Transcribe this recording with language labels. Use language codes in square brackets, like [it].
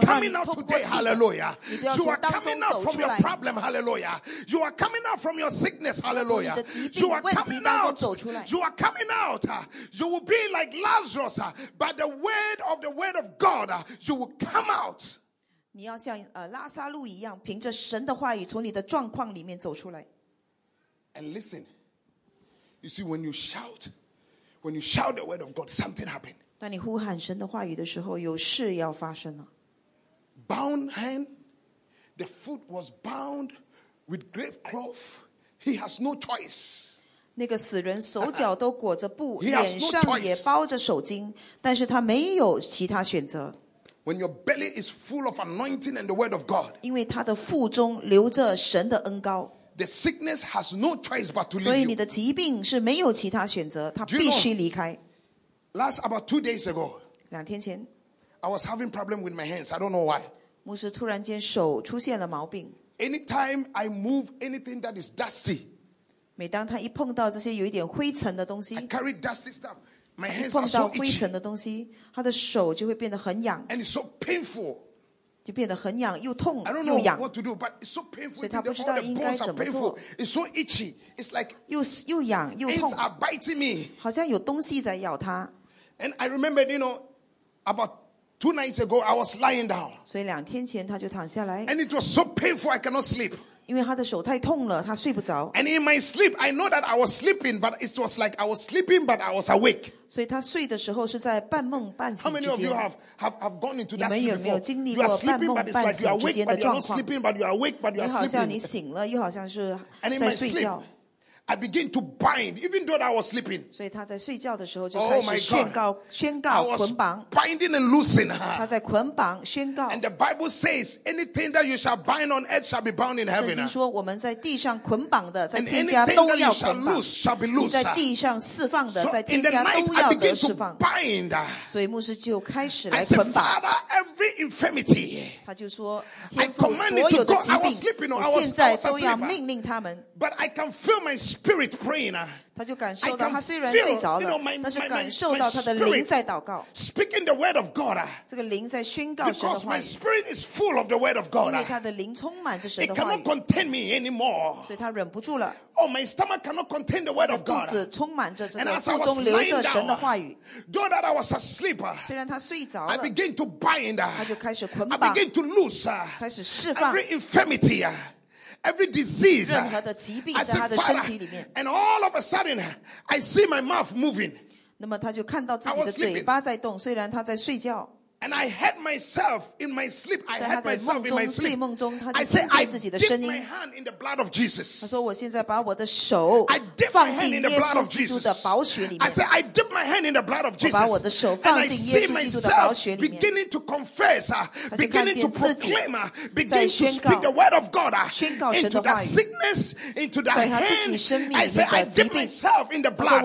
[en] you are coming out today hallelujah you are coming out from your problem hallelujah you are coming out from your sickness hallelujah you are coming out [zh] 走出来 [en] you are coming out you will be like Lazarus by the word of the word of God you will come out [zh] 你要像拉撒路一样凭着神的话语从你的状况里面走出来 [en] And listen, you see, when you shout the word of God, something happened. [zh] 当你呼喊神的话语的时候，有事要发生了。 [en] Bound hand, the foot was bound with grave cloth. He has no choice. [zh] 那个死人手脚都裹着布， [en] He has no choice. [zh] 脸上也包着手巾，但是他没有其他选择。 [en] When your belly is full of anointing and the word of God. [zh] 因为他的腹中流着神的恩膏。 [en] The sickness has no choice but to leave. [zh] 所以你的疾病是没有其他选择，它必须离开。 [en] Last about 2 days ago, [zh] 两天前 [en] I was having problem with my hands. I don't know why. [zh] 牧师突然间手出现了毛病。 [en] Anytime I move anything that is dusty, [zh] 每当他一碰到这些有一点灰尘的东西 [en] ，I carry dusty stuff. My hands are so itchy. [zh] 碰到灰尘的东西，他的手就会变得很痒。 [en] And it's so painful. [zh] 就变得很痒又痛又痒 [en] I don't know what to do, but it's so painful. [zh] 所以他不知道应该怎么做 [en] It's so itchy. It's like [zh] 又痒又痛 [en] Ants are biting me. [zh] 好像有东西在咬他 [en] And I remember, you know, about 2 nights ago, I was lying down. [zh] 所以两天前他就躺下来 [en] And it was so painful, I cannot sleep. [zh] 因为他的手太痛了他睡不着 [en] And in my sleep, I know that I was sleeping, but it was like I was sleeping, but I was awake. [zh] 所以他睡的时候是在半梦半醒之间。 [en] How many of you have gone into that [zh] before? 你们有没有经历过半梦半醒之间的状况？你好像你醒了，又好像是在睡觉。 [en] And in my sleep, I began to bind, even though I was sleeping. So he was sleeping at the time. Oh my God! I was binding and loosing her. He was binding. And the Bible says, anything that you shall bind on earth shall be bound in heaven. [zh] 圣经说我们在地上捆绑的，在天家都要捆绑。 [en] Loose shall be loose. [zh] 在地上释放的，在天家都要得释放。 [en] Bind. [zh] 所以牧师就开始来捆绑。 [en] I said, Father, every infirmity. [zh] 他就说，天父所有的疾病，我现在都要命令他们。 [en] But I can feel my spirit praying. [zh] 他就感受到他虽然睡着了，但是感受到他的灵在祷告。 [en] Speaking the word of God. [zh] 这个灵在宣告神的话语。 [en] Because my spirit is full of the word of God. [zh] 因为他的灵充满着神的话语。 [en] It cannot contain me anymore. [zh] 所以他忍不住了。 [en] Oh, my stomach cannot contain the word of God. [zh] 肚子充满着这个腹中流着神的话语。 [en] Though that I was asleep. [zh] 虽然他睡着了。 [en] I begin to bind. [zh] 他就开始捆绑。 [en] I begin to loose. [zh] 开始释放。 [en] Every infirmity. Every disease, [zh] 任何的疾病在他的身体里面。 [en] And all of a sudden, I see my mouth moving. [zh] 那么他就看到自己的嘴巴在动，虽然他在睡觉。 [en] And I heard myself in my sleep. I heard myself in my sleep. [zh] 在梦中，他就听见自己的声音。 [en] I dipped my hand in the blood of Jesus. [zh] 他说：“我现在把我的手放进耶稣基督的宝血里面。” [en] I said, I dipped my hand in the blood of Jesus. [zh] 我把我的手放进耶稣基督的宝血里面。 [en] Beginning to confess, beginning to proclaim, beginning to speak the word of God into the sickness, into the hand. [zh] 在他自己生命里面的疾病。 [en] I said, I dipped myself in the blood.